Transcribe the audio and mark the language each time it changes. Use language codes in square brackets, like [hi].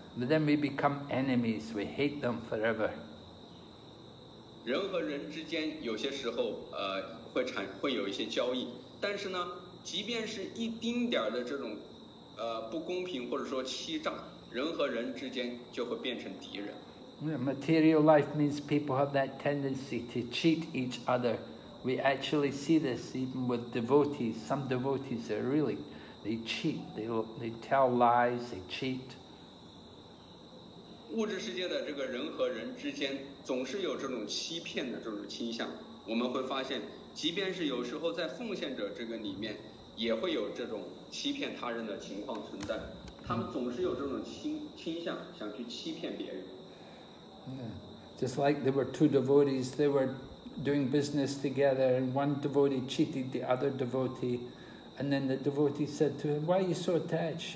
[en] But then we become enemies. We hate them forever. [zh] 人和人之间有些时候会有一些交易，但是呢，即便是一丁点的这种不公平或者说欺诈，人和人之间就会变成敌人。 [en] Material life means people have that tendency to cheat each other. We actually see this even with devotees. Some devotees are really they cheat. They tell lies. They cheat. [zh] 物质世界的这个人和人之间总是有这种欺骗的这种倾向，我们会发现，即便是有时候在奉献者这个里面，也会有这种欺骗他人的情况存在。他们总是有这种倾向，想去欺骗别人。 [en] Just like there were two devotees, they were doing business together, and one devotee cheated the other devotee, and then the devotee said to him, "Why are you so attached?